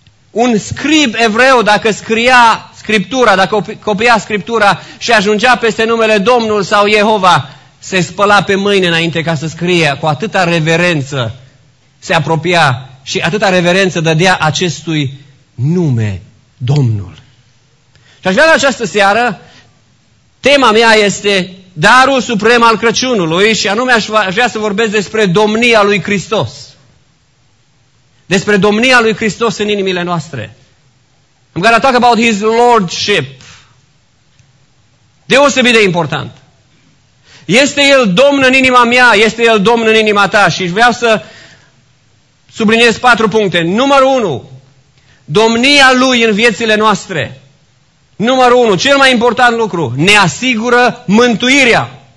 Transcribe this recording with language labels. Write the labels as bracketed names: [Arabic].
[Romanian] Un scrib evreu, dacă scria Scriptura, dacă copia Scriptura și ajungea peste numele Domnul sau Jehova, se spăla pe mâini înainte ca să scrie, cu atâta reverență se apropia și atâta reverență dădea acestui nume, Domnul. Și aș vrea la această seară, tema mea este Darul Suprem al Crăciunului și anume aș vrea să vorbesc despre Domnia lui Hristos. Despre Domnia lui Hristos în inimile noastre. [English] I'm going to talk about His Lordship. [Romanian] Deosebit de important. Este El Domn în inima mea, este El Domn în inima ta și vreau să subliniez patru puncte. Numărul 1. Domnia Lui în viețile noastre. Numărul 1. Cel mai important lucru. Ne asigură mântuirea.